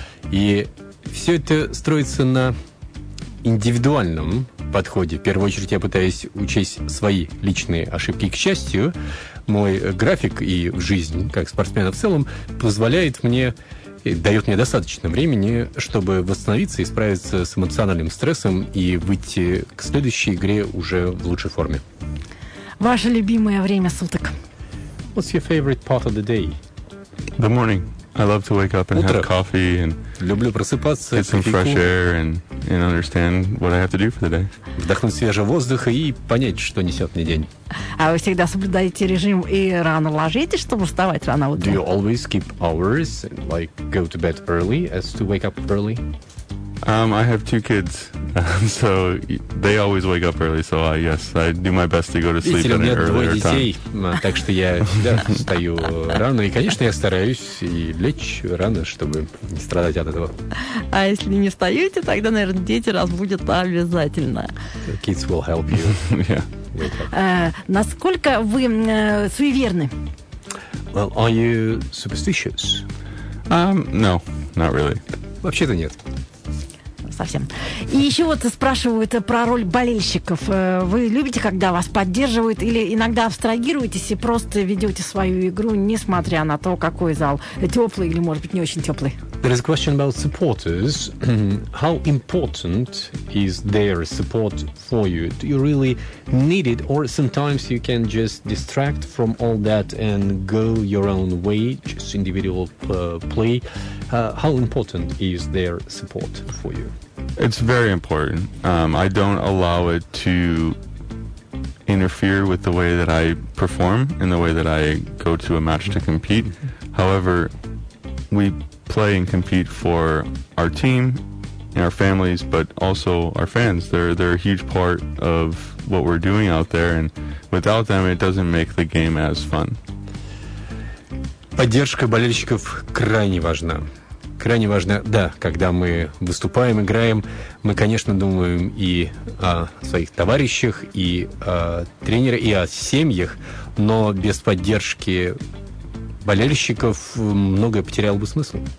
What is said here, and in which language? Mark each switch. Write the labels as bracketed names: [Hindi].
[Russian] И все это строится на индивидуальном подходе. В первую очередь я пытаюсь учесть свои личные ошибки. И, к счастью, мой график и жизнь как спортсмена в целом позволяет мне терапии дает мне достаточно времени, чтобы восстановиться и справиться с эмоциональным стрессом и выйти к следующей игре уже в лучшей форме. Ваше любимое время суток? [English] What's your favorite part of the day? The morning. I love to wake up and [Russian] утро. [English] Have coffee and [Russian] люблю просыпаться, [English] get some fresh air and understand what I have to do for the day. [Russian] Вдохнуть свежего воздуха и понять, что несет мне день. А вы всегда соблюдаете режим и рано ложитесь, чтобы вставать рано утром? [English] Do you always keep hours and like go to bed early as to wake up early? I have two kids, so they always wake up early, so I do my best to go to sleep at an earlier time. [Russian] У меня двое детей, так что я всегда встаю рано, и, конечно, я стараюсь и лечь рано, чтобы не страдать от этого. А если не встаете, тогда, наверное, дети разбудят обязательно. [English] Kids will help you. [Russian] Насколько вы суеверны? [English] Well, are you superstitious? No, not really. [Russian] Вообще-то нет. Совсем. И еще вот спрашивают про роль болельщиков. Вы любите, когда вас поддерживают, или иногда абстрагируетесь и просто ведете свою игру, несмотря на то, какой зал, теплый или, может быть, не очень теплый? [English] There is a question about supporters. How important is their support for you? Do you really need it, or sometimes you can just distract from all that and go your own way, just individual play? How important is their support for you? It's very important. I don't allow it to interfere with the way that I perform and the way that I go to a match to compete. However, we play and compete for our team and our families, but also our fans. They're a huge part of what we're doing out there, and without them, it doesn't make the game as fun. [Russian] Поддержка болельщиков крайне важна. Крайне важно, да, когда мы выступаем, играем, мы, конечно, думаем и о своих товарищах, и о тренере, и о семьях, но без поддержки болельщиков многое потеряло бы смысл.